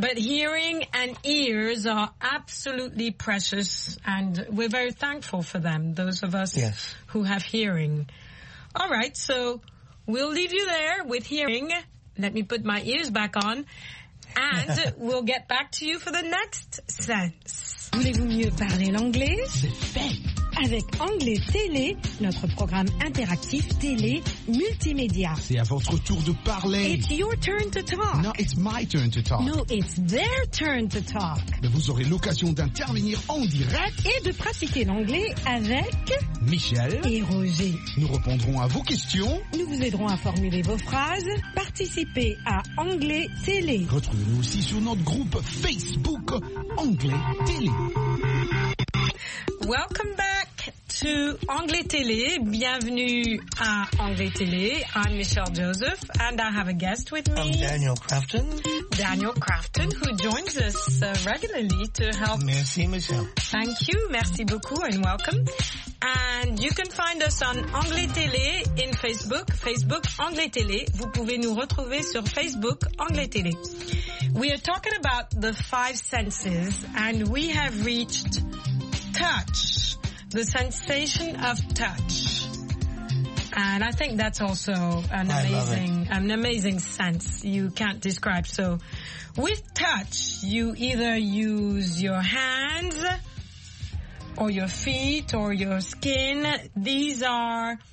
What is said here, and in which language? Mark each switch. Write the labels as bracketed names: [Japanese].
[English] But hearing and ears are absolutely precious, and we're very thankful for them, those of us yes. who have hearing. All right, so we'll leave you there with hearing. Let me put my ears back on, and we'll get back to you for the next sense. [French] Voulez-vous mieux parler l'anglais? C'est fait. Avec Anglais Télé, notre programme interactif télé multimédia. C'est à votre tour de parler. [English] It's your turn to talk. No, it's my turn to talk. No, it's their turn to talk. [French] Mais vous aurez l'occasion d'intervenir en direct et de pratiquer l'anglais avec Michel et Roger. Nous répondrons à vos questions. Nous vous aiderons à formuler vos phrases. Participez à Anglais Télé. Retrouvez-nous aussi sur notre groupe Facebook Anglais Télé. [English] Welcome back to Anglais Télé. [French] Bienvenue à Anglais Télé. [English] I'm Michelle Joseph and I have a guest with me. I'm Daniel Crafton. Daniel Crafton, who joins us regularly to help. [French] Merci, Michelle. [English] Thank you. [French] Merci beaucoup [English] and welcome. And you can find us on Anglais Télé in Facebook. Facebook Anglais Télé. [French] Vous pouvez nous retrouver sur Facebook Anglais Télé. [English] We are talking about the five senses and we have reached touch, the sensation of touch. And I think that's also an amazing sense you can't describe. So with touch, you either use your hands or your feet or your skin. These are